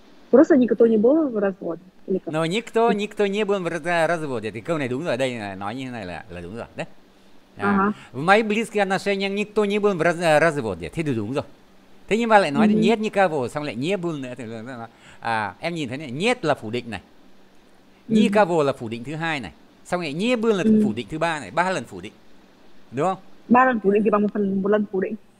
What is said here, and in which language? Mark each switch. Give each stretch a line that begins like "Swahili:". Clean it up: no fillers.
Russian: Просто никто не был в разводе. Но никто не был в разводе.
Vietnamese: Thì câu này đúng rồi, đây nói như thế này là đúng rồi, đấy.
Russian: В моих близких отношениях никто не был в разводе.
Vietnamese: Thế thì đúng rồi. Thế nhưng mà lại nói
Russian: нет никого,
Vietnamese: xong lại
Russian: не был
Vietnamese: nữa. À, em nhìn thấy này, нет là phủ định này. Никого là phủ định thứ hai này. Xong rồi nhé bươn là phủ định thứ ba này, ba lần phủ định. Đúng không? Ba lần phủ định thì bằng một lần phủ định.